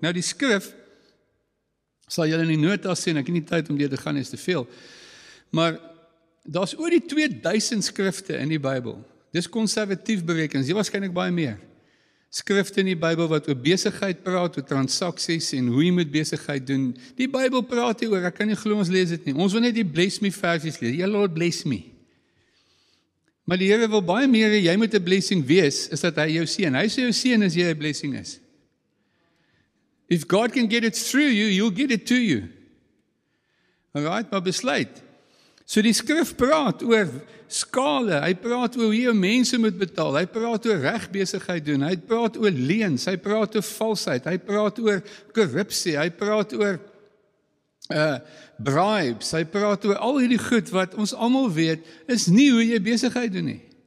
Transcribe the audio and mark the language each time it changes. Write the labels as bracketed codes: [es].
[af] Nou die skrif, sal julle in die notas sê, ek het nie tyd om dit te gaan, is te veel, maar daar is oor die 2000 skrifte in die Bybel, dis konservatief berekens, hier waarskynlik baie meer, skrifte in die Bybel wat oor besigheid praat, oor transaksies en hoe jy moet besigheid doen. Die Bybel praat hier oor, ek kan nie geloof ons lees het nie. Ons wil net die bless me versies lees. Ja, [en] Lord, bless me. [af] Maar die Heere wil baie meer, jy moet 'n blessing wees, is dat hy jou seën. Hy sê jou seën as jy 'n blessing is. [en] If God can get it through you, he'll get it to you. [af] Alright, maar besluit. So die skrif praat oor skale, hy praat oor hoe jy mense moet betaal, hy praat oor regbesigheid doen, hy praat oor leens, hy praat oor valsheid, hy praat oor korrupsie, hy praat oor bribes, hy praat oor al die goed wat ons allemaal weet, is nie hoe jy besigheid doen nie.